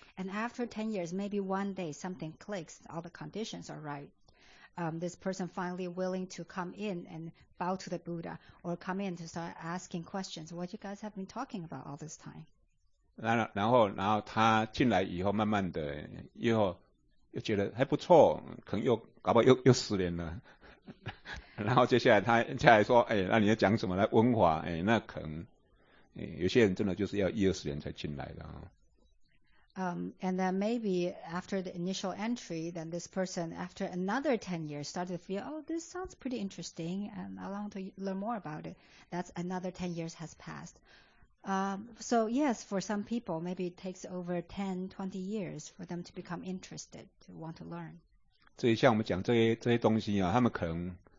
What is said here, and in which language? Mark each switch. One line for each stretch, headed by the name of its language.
English: And after 10 years, maybe one day something clicks, all the conditions are right. This person finally willing to come in and bow to the Buddha or come in to start asking questions. What you guys have been talking about all this time?
Chinese: 然后他进来以后慢慢的又觉得还不错，可能又搞不好又失联了。然后接下来他下来说，那你要讲什么来温华，那可能有些人真的就是要一二十年才进来的、哦。
English: And then maybe after the initial entry, then this person after another 10 years started to feel, oh, this sounds pretty interesting, and I want to learn more about it. That's another 10 years has passed. So yes, for some people, maybe it takes over 10, 20 years for them to become interested, to want to learn.
Chinese: 所以像我们讲这些东西啊，他们可能